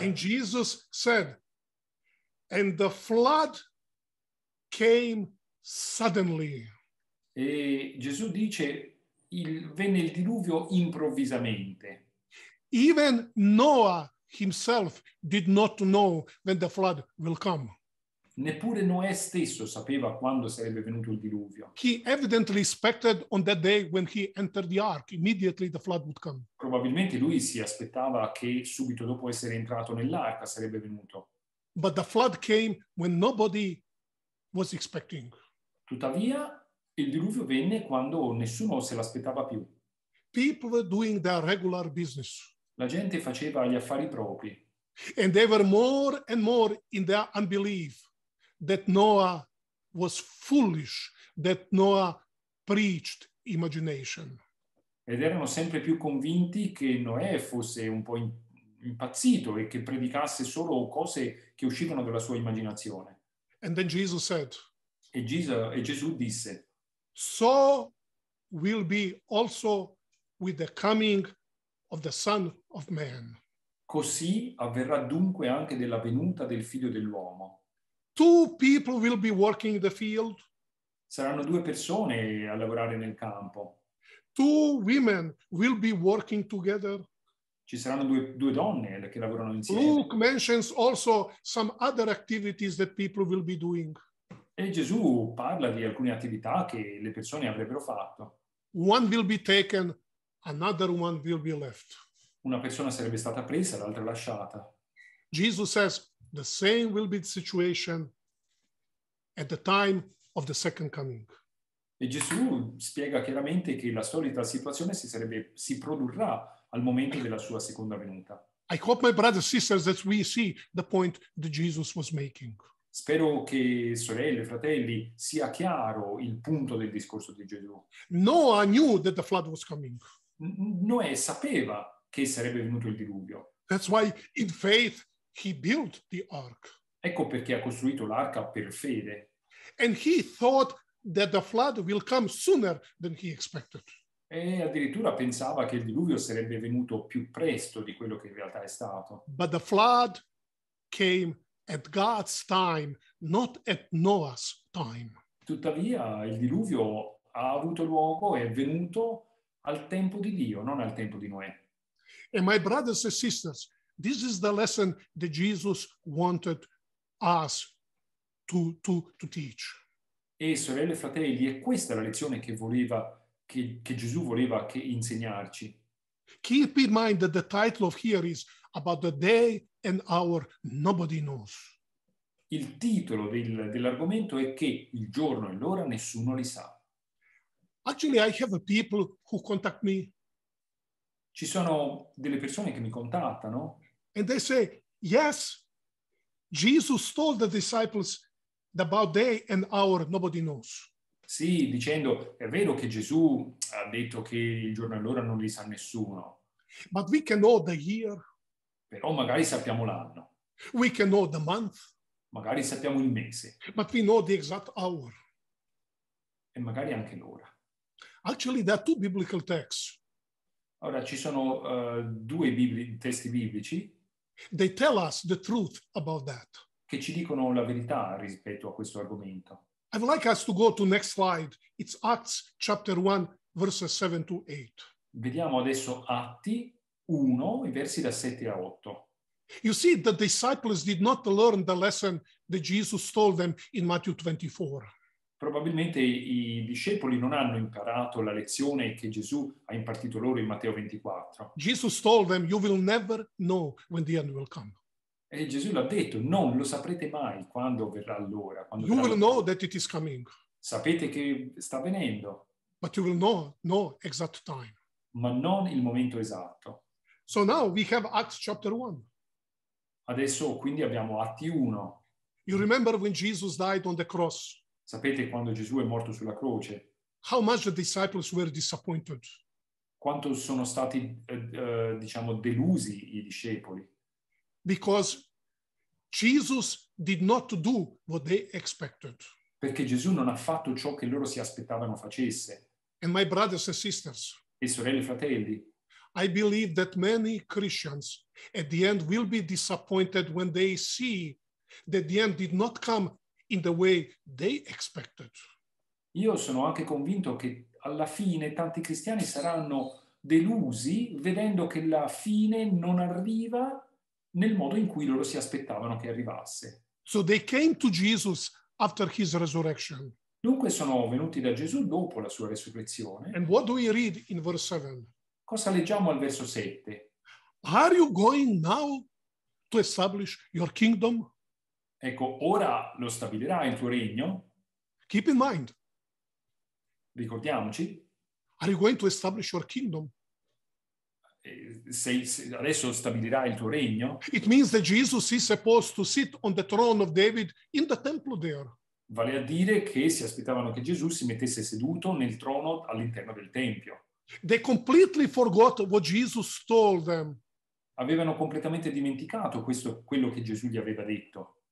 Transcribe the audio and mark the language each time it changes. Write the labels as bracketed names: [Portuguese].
[English] And Jesus said, and the flood came suddenly. [Italian] E Gesù dice, venne il diluvio improvvisamente. [English] Even Noah himself did not know when the flood will come. [Italian] Neppure Noè stesso sapeva quando sarebbe venuto il diluvio. [English] He evidently expected on that day when he entered the ark, immediately the flood would come. [Italian] Probabilmente lui si aspettava che subito dopo essere entrato nell'arca sarebbe venuto. [English] But the flood came when nobody was expecting. [Italian] Tuttavia, il diluvio venne quando nessuno se l'aspettava più. [English] People were doing their regular business. [Italian] La gente faceva gli affari propri. [English] And they were more and more in their unbelief. That Noah was foolish, that Noah preached imagination. [Italian] Ed erano sempre più convinti che Noè fosse un po' impazzito e che predicasse solo cose che uscivano dalla sua immaginazione. [English] And then Jesus said, [Italian] e Gesù disse, [English] so will be also with the coming of the Son of Man. [Italian] Così avverrà dunque anche della venuta del Figlio dell'uomo. [English] Two people will be working in the field. [Italian] Saranno due persone a lavorare nel campo. [English] Two women will be working together. [Italian] Ci saranno due donne che lavorano insieme. [English] Luke mentions also some other activities that people will be doing. [Italian] E Gesù parla di alcune attività che le persone avrebbero fatto. [English] One will be taken, another one will be left. [Italian] Una persona sarebbe stata presa, l'altra lasciata. [English] Jesus says, the same will be the situation at the time of the second coming. [Italian] E Gesù spiega chiaramente che la solita situazione si produrrà al momento della sua seconda venuta. [English] I hope, my brothers and sisters, that we see the point that Jesus was making. [Italian] Spero che sorelle, fratelli, sia chiaro il punto del discorso di Gesù. [English] Noah knew that the flood was coming. [Italian] Noè sapeva che sarebbe venuto il diluvio. [English] That's why in faith he built the ark. [Italian] Ecco perché ha costruito l'arca per fede. [English] And he thought that the flood will come sooner than he expected. [Italian] E addirittura pensava che il diluvio sarebbe venuto più presto di quello che in realtà è stato. [English] But the flood came at God's time, not at Noah's time. [Italian] Tuttavia il diluvio ha avuto luogo e è venuto al tempo di Dio, non al tempo di Noè. [English] And my brothers and sisters, this is the lesson that Jesus wanted us to teach. [Italian] E sorelle e fratelli, è questa la lezione che Gesù voleva che insegnarci. [English] Keep in mind that the title of here is about the day and hour nobody knows. [Italian] Il titolo dell'argomento è che il giorno e l'ora nessuno li sa. [English] Actually, I have people who contact me. [Italian] Ci sono delle persone che mi contattano. [English] And they say, yes, Jesus told the disciples about day and hour nobody knows. [Italian] Sì, dicendo, è vero che Gesù ha detto che il giorno e l'ora non li sa nessuno. [English] But we can know the year. [Italian] Però magari sappiamo l'anno. [English] We can know the month. [Italian] Magari sappiamo il mese. [English] But we know the exact hour. [Italian] E magari anche l'ora. [English] Actually, there are two biblical texts. [Italian] Ora, ci sono testi biblici. [English] They tell us the truth about that. [Italian] Che ci dicono la verità rispetto a questo argomento. [English] I would like us to go to next slide. It's Acts chapter 1, verses 7 to 8. [Italian] Vediamo adesso Atti 1, i versi da 7 a 8. [English] You see, the disciples did not learn the lesson that Jesus told them in Matthew 24. [Italian] Probabilmente i discepoli non hanno imparato la lezione che Gesù ha impartito loro in Matteo 24. [English] Jesus told them, you will never know when the end will come. [Italian] E Gesù l'ha detto, non lo saprete mai quando verrà l'ora. [English] You will know that it is coming. [Italian] Sapete che sta venendo. [English] But you will know no exact time. [Italian] Ma non il momento esatto. [English] So now we have Acts chapter 1. [Italian] Adesso quindi abbiamo Atti 1. [English] You remember when Jesus died on the cross? [Italian] Sapete quando Gesù è morto sulla croce? [English] How much the disciples were disappointed. [Italian] Quanto sono stati, diciamo, delusi i discepoli? [English] Because Jesus did not do what they expected. [Italian] Perché Gesù non ha fatto ciò che loro si aspettavano facesse. [English] And my brothers and sisters, [Italian] e sorelle e fratelli, [English] I believe that many Christians at the end will be disappointed when they see that the end did not come in the way they expected. [Italian] Io sono anche convinto che alla fine tanti cristiani saranno delusi vedendo che la fine non arriva nel modo in cui loro si aspettavano che arrivasse. [English] So they came to Jesus after his resurrection. [Italian] Dunque sono venuti da Gesù dopo la sua resurrezione. [English] And what do we read in verse 7? [Italian] Cosa leggiamo al verso 7? [English] Are you going now to establish your kingdom? [Italian] Ecco, ora lo stabilirà il tuo regno. [English] Keep in mind. [Italian] Ricordiamoci. [English] Are you going to establish your kingdom? [Italian] Se adesso stabilirà il tuo regno. [English] It means that Jesus is supposed to sit on the throne of David in the temple there. [Italian] Vale a dire che si aspettavano che Gesù si mettesse seduto nel trono all'interno del tempio. [English] They completely forgot what Jesus told them. [Italian] Avevano completamente dimenticato questo, quello che Gesù gli aveva detto.